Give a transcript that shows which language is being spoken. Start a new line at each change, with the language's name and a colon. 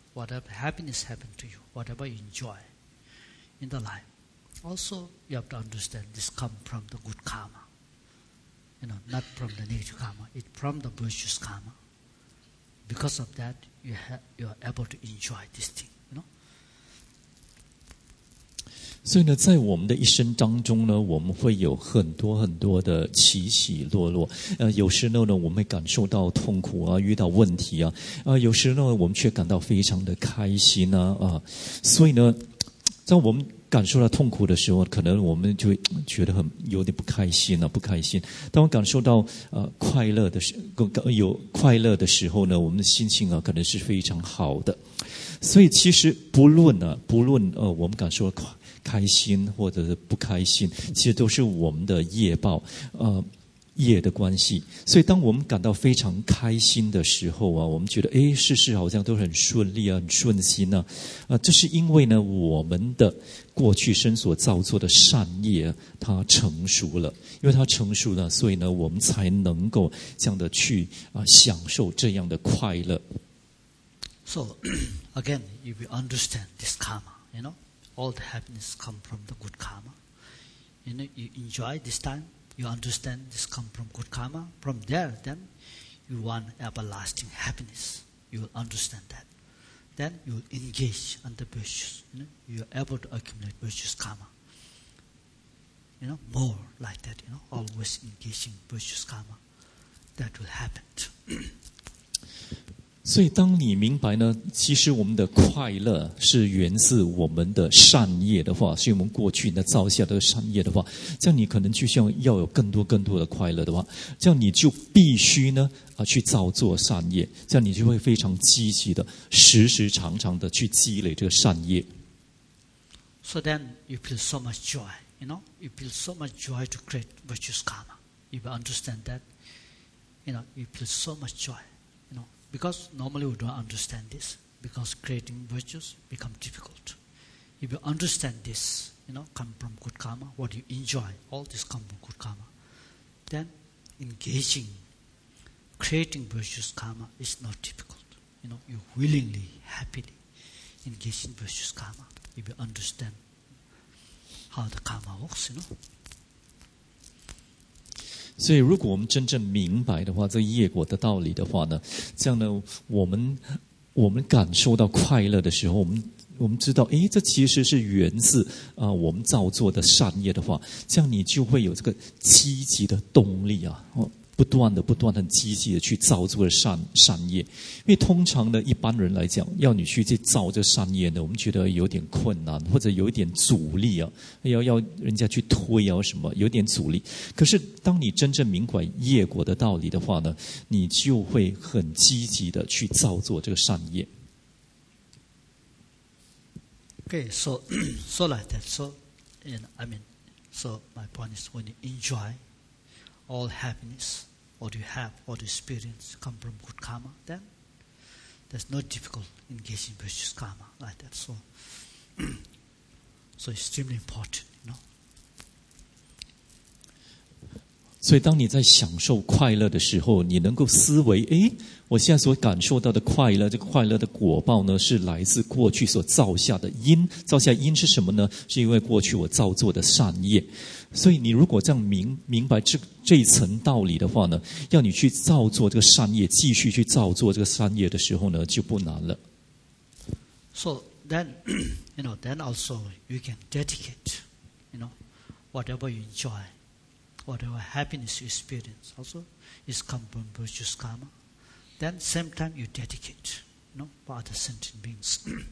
English: Whatever happiness happened to you, whatever you enjoy in the life. Also, you have to understand this comes from the good karma. You know, not from the negative karma. It's from the virtuous karma. Because of that, you are able to enjoy this thing, you know.
Chinese: 所以呢，在我们的一生当中呢，我们会有很多很多的起起落落。有时候呢，我们会感受到痛苦啊，遇到问题啊。有时候呢，我们却感到非常的开心啊。所以呢，在我们感受到痛苦的时候，可能我们就觉得很有点不开心了、啊，不开心。当我感受到快乐的时，有快乐的时候呢，我们的心情啊，可能是非常好的。所以其实不论呢、啊，不论我们感受到开心或者是不开心，其实都是我们的业报，业的关系。所以当我们感到非常开心的时候啊，我们觉得哎，事事好像都很顺利啊，很顺心啊，这是因为呢，我们的过去生所造作的善业它成熟了，因为它成熟了，所以呢，我们才能够这样的去享受这样的快乐。
English: So again, if you understand this karma, you know, all the happiness come from the good karma. You know, you enjoy this time. You understand this comes from good karma. From there, then you want everlasting happiness. You will understand that. Then you will engage on the virtues. You know? You are able to accumulate virtuous karma. You know, more like that, you know, always engaging virtuous karma. That will happen too.
Chinese: 所以当你明白呢，其实我们的快乐是源自我们的善业的话，是我们过去呢造下的善业的话，这样你可能就像要有更多更多的快乐的话，这样你就必须呢去造作善业，这样你就会非常积极的时时常常的去积累这个善业。
English: So then you feel so much joy, you know, you feel so much joy to create virtuous karma. If you understand that, you know, you feel so much joy. Because normally we don't understand this. Because creating virtues become difficult. If you understand this, you know, come from good karma, what you enjoy, all this come from good karma, then engaging, creating virtuous karma is not difficult. You know, you willingly, happily engage in virtuous karma. If you understand how the karma works, you know.
Chinese: 所以如果我们真正明白的话，这个业果的道理的话呢，这样呢，我们感受到快乐的时候，我们知道，诶，这其实是源自我们造作的善业的话，这样你就会有这个积极的动力啊，不断很积极的去造作的善业。因为通常呢，一般人来讲，要你去造这善业呢，我们觉得有点困难，或者有点阻力啊，要人家去推啊什么，有点阻力。可是当你真正明白业果的道理的话呢，你就会很积极的去造作这个善业。
English: Okay, so like that. So, and I mean, so my point is when you enjoy. All happiness, what you have, what you experience, come from good karma. Then, there's no difficult engaging virtuous karma like that. So extremely important, you know.
Chinese: 所以当你在享受快乐的时候，你能够思维，诶，我现在所感受到的快乐，这个快乐的果报呢，是来自过去所造下的因。造下因是什么呢？是因为过去我造作的善业。所以你如果这样明白 这一层道理的话呢，要你去造作这个善业，继续去造作这个善业的时候呢，就不难了。
English: So then, you know, then also you can dedicate, you know, whatever you enjoy, whatever happiness you experience also is come from virtuous karma. Then, same time, you dedicate, you know, for other sentient beings.